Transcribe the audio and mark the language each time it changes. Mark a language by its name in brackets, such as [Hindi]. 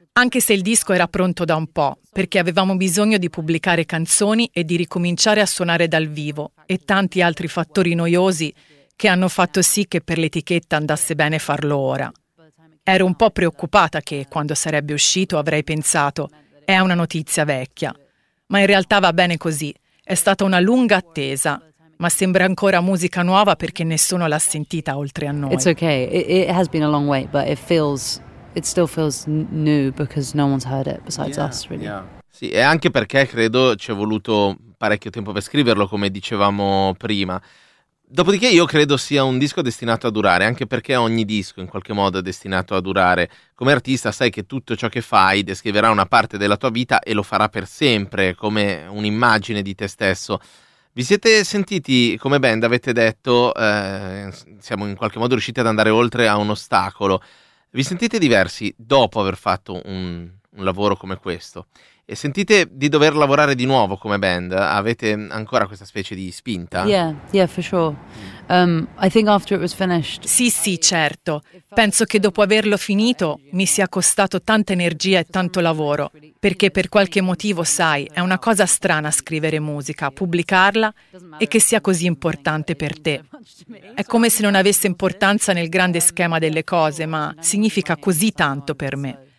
[Italian] Anche se il disco era pronto da un po', perché avevamo bisogno di pubblicare canzoni e di ricominciare a suonare dal vivo e tanti altri fattori noiosi che hanno fatto sì che per l'etichetta andasse bene farlo ora. Ero un po' preoccupata che, quando sarebbe uscito, avrei pensato «è una notizia vecchia». Ma in realtà va bene così. È stata una lunga attesa, ma sembra ancora musica nuova perché nessuno l'ha sentita oltre a noi. [English] It's okay. It has been a long wait, but it feels... It still feels new because no one's heard it besides us, really. Yeah. [Italian] Sì, e anche perché credo ci è voluto parecchio tempo per scriverlo, come dicevamo prima. Dopodiché io credo sia un disco destinato a durare, anche perché ogni disco in qualche modo è destinato a durare. Come artista sai che tutto ciò che fai descriverà una parte della tua vita e lo farà per sempre, come un'immagine di te stesso. Vi siete sentiti come band, avete detto, siamo in qualche modo riusciti ad andare oltre a un ostacolo. Vi sentite diversi dopo aver fatto un lavoro come questo? E sentite di dover lavorare di nuovo come band? Avete ancora questa specie di spinta? [English] Yeah, yeah, for sure. I think after it was finished. [Italian] Sì, sì, certo. Penso che dopo averlo finito mi sia costato tanta energia e tanto lavoro, perché per qualche motivo, sai, è una cosa strana scrivere musica, pubblicarla e che sia così importante per te. È come se non avesse importanza nel grande schema delle cose, ma significa così tanto per me.